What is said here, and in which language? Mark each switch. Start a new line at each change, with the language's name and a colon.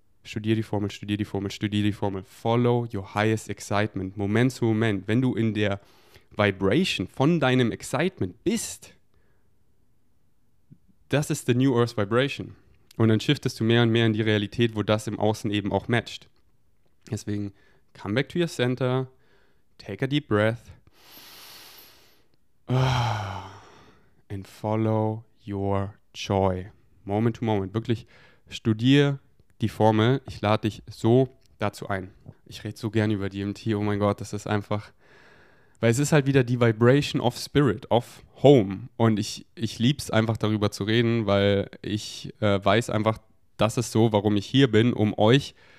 German: Studier die Formel.
English: Follow your highest excitement,
German: Moment zu Moment. Wenn du in der Vibration von deinem Excitement bist, das ist
English: the New Earth Vibration.
German: Und dann shiftest du mehr und mehr in die Realität, wo das im Außen eben auch matcht. Deswegen,
English: come back to your center, take a deep breath and follow your joy. Moment to moment.
German: Wirklich, studiere die Formel. Ich lade dich so dazu ein. Ich rede so gern über DMT. Oh mein Gott, das ist einfach... Weil es ist halt wieder die Vibration
English: of Spirit, of Home.
German: Und ich liebe es einfach, darüber zu reden, weil ich weiß einfach, das ist so, warum ich hier bin, um euch...